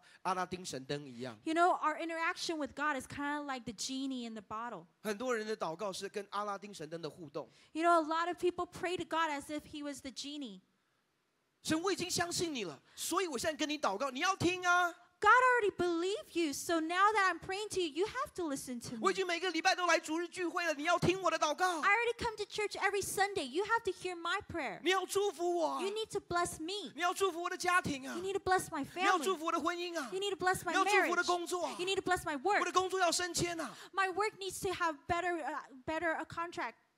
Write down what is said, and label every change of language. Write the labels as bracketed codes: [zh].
[en] You know, our interaction with God is kind of like the genie in the bottle. You know, a lot of people pray to God as if he was the genie. [zh] 神, 我已经相信你了, 所以我现在跟你祷告, 你要听啊。 [en] God already believed you, so now that I'm praying to you, you have to listen to me. [zh] 我已经每个礼拜都来主日聚会了, 你要听我的祷告。 [en] I already come to church every Sunday. You have to hear my prayer. [zh] 你要祝福我。 [en] You need to bless me. [zh] 你要祝福我的家庭啊。 [en] You need to bless my family. [zh] 你要祝福我的婚姻啊。 [en] You need to bless my [zh] 你要祝福我的工作啊。 [en] marriage. You need to bless my work. [zh] 我的工作要升迁啊。 [en] My work needs to have better contract.